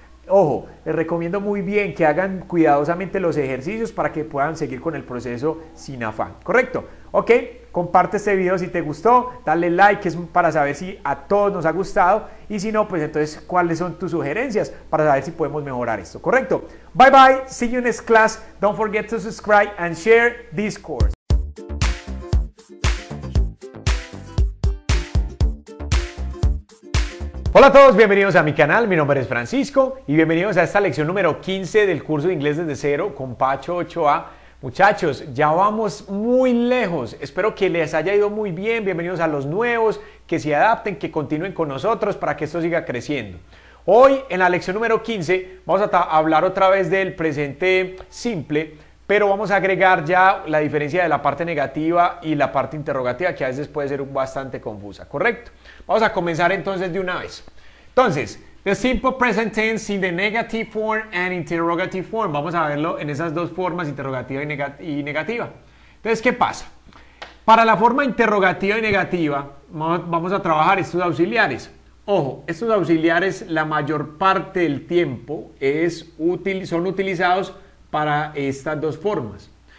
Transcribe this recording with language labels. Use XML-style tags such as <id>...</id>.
<es>Ojo, les recomiendo muy bien que hagan cuidadosamente los ejercicios para que puedan seguir con el proceso sin afán. ¿Correcto? Ok, comparte este video si te gustó, dale like, es para saber si a todos nos ha gustado y si no, pues entonces, ¿cuáles son tus sugerencias para saber si podemos mejorar esto? ¿Correcto?</es> <en>Bye bye, see you next class, don't forget to subscribe and share this course.</en> <es>Hola a todos, bienvenidos a mi canal, mi nombre es Francisco y bienvenidos a esta lección número 15 del curso de inglés desde cero con Pacho 8A. Muchachos, ya vamos muy lejos, espero que les haya ido muy bien, bienvenidos a los nuevos, que se adapten, que continúen con nosotros para que esto siga creciendo. Hoy en la lección número 15 vamos a hablar otra vez del presente simple, pero vamos a agregar ya la diferencia de la parte negativa y la parte interrogativa, que a veces puede ser bastante confusa, ¿correcto? Vamos a comenzar entonces de una vez.</es> <en>Entonces, the simple present tense in the negative form and interrogative form.</en> <es>Vamos a verlo en esas dos formas, interrogativa y negativa. Entonces, ¿qué pasa? Para la forma interrogativa y negativa, vamos a trabajar estos auxiliares. Ojo, estos auxiliares la mayor parte del tiempo son utilizados para estas dos formas.</es>